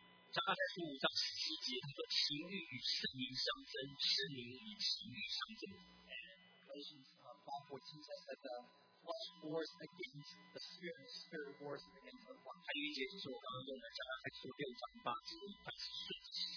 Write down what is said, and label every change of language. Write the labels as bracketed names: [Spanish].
[Chinese] 加拉太书五章十七节，他说情欲与圣灵相争，圣灵与情欲相争。 [English] Galatians 5:14 says that the flesh wars against the spirit, and the spirit wars against the flesh. [Chinese] 还有一节就是我刚刚说的加拉太书六章八节，他是顺着。